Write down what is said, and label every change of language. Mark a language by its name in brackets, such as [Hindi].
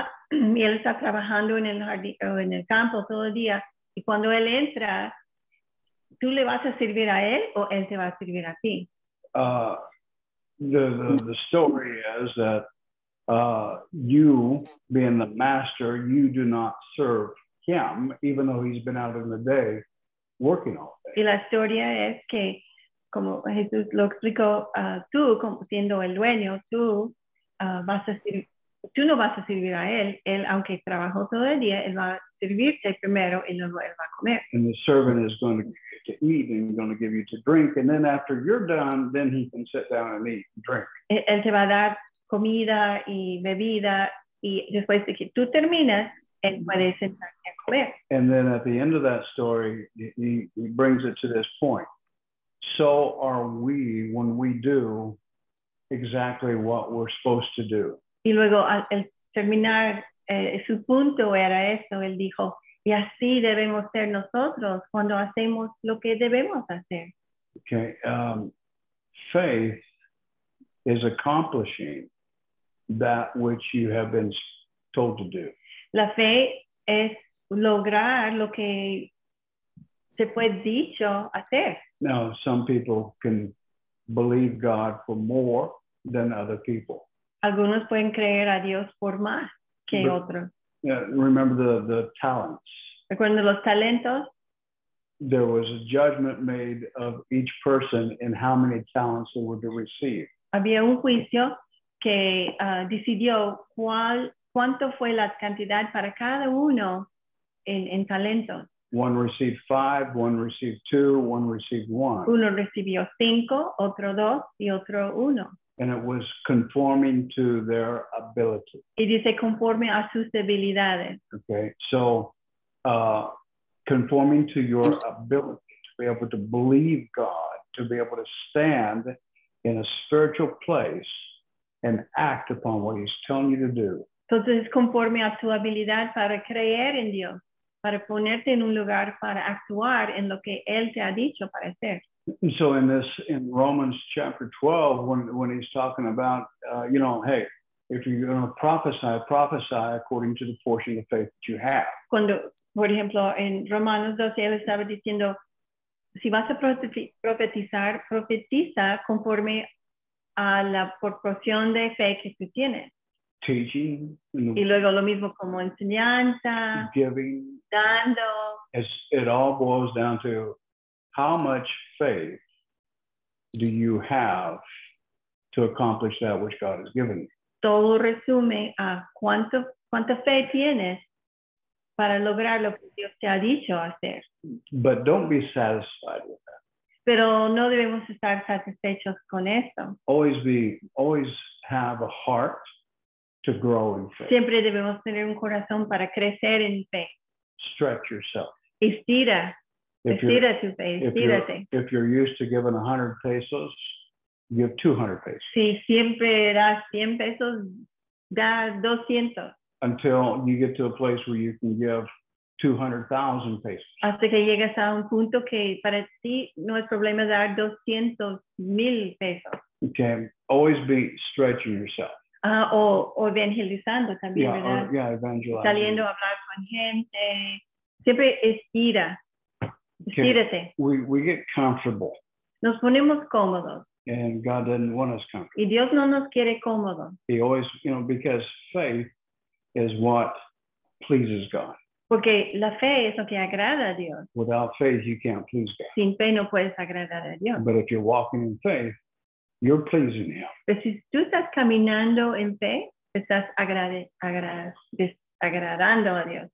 [Spanish] Y él está trabajando en el jardín o en el campo todo el día. Y cuando él entra, ¿tú le vas a servir a él o él te va a servir a ti? [English] The story is that you, being the master, you do not serve him, even though he's been out in the day working all day. [Spanish] Y la historia es que, como Jesús lo explicó, tú, como siendo el dueño, tú no vas a servir a él. Él, aunque trabajó todo el día, él va a servirte primero y luego él va a comer. [English] And the servant is going to eat and he's going to give you to drink. And then after you're done, then he can sit down and eat and drink. [Spanish] Él te va a dar comida y bebida, y después de que tú terminas, él puede sentarse a comer. [English] And then at the end of that story, he brings it to this point. So are we when we do exactly what we're supposed to do. [Spanish] Y luego al terminar su punto era esto, él dijo, y así debemos ser nosotros cuando hacemos lo que debemos hacer. [English] Okay, faith is accomplishing that which you have been told to do. [Spanish] La fe es lograr lo que se puede dicho hacer. [English] Now, some people can believe God for more than other people. [Spanish] Algunos pueden creer a Dios por más que otros. [English] Yeah, remember the talents. [Spanish] ¿Recuerdan los talentos? [English] There was a judgment made of each person and how many talents they were to receive. [Spanish] Había un juicio que decidió cuánto fue la cantidad para cada uno en talentos. [English] One received 5, one received 2, one received 1. [Spanish] Uno recibió 5, otro 2 y otro 1. [English] And it was conforming to their ability. [Spanish] Y dice conforme a sus debilidades. [English] Okay, so conforming to your ability to be able to believe God, to be able to stand in a spiritual place and act upon what he's telling you to do. [Spanish] Entonces, conforme a tu habilidad para creer en Dios, para ponerte en un lugar para actuar en lo que él te ha dicho para hacer. [English] So in Romans chapter 12, when he's talking about, hey, if you're going to prophesy, prophesy according to the portion of faith that you have. [Spanish] Cuando, por ejemplo, en Romanos 12, él estaba diciendo, si vas a profetizar, profetiza conforme a la proporción de fe que tú tienes. [English] Teaching. [Spanish] Y luego lo mismo como enseñanza. [English] Giving. [Spanish] Dando. [English] It all boils down to how much faith do you have to accomplish that which God has given you. [Spanish] Todo resume a cuánta fe tienes para lograr lo que Dios te ha dicho hacer. [English] But don't be satisfied with that. [Spanish] Pero no debemos estar satisfechos con esto. [English] Always have a heart to grow in faith. [Spanish] Siempre debemos tener un corazón para crecer en fe. [English] Stretch yourself. [Spanish] Estira. Estira tu fe. Estírate. [English] If you're used to giving 100 pesos, give 200 pesos. [Spanish] Si siempre das 100 pesos, da 200. [English] Until you get to a place where you can give 200,000 pesos. [Spanish] Hasta que llegas a un punto que para ti no es problema dar 200,000 pesos. [English] Okay. Always be stretching yourself. [Spanish] O evangelizando también, ¿verdad? Yeah, evangelizando. Saliendo a hablar con gente. Siempre estira. [English] Okay. [Spanish] Estírate. [English] We get comfortable. [Spanish] Nos ponemos cómodos. [English] And God doesn't want us comfortable. [Spanish] Y Dios no nos quiere cómodos. [English] He always, because faith is what pleases God. [Spanish] Porque la fe es lo que agrada a Dios. [English] Without faith, you can't please God. [Spanish] Sin fe no puedes agradar a Dios. [English] But if you're walking in faith, you're pleasing him. [Spanish] Pero si tú estás caminando en fe, estás agradando a Dios.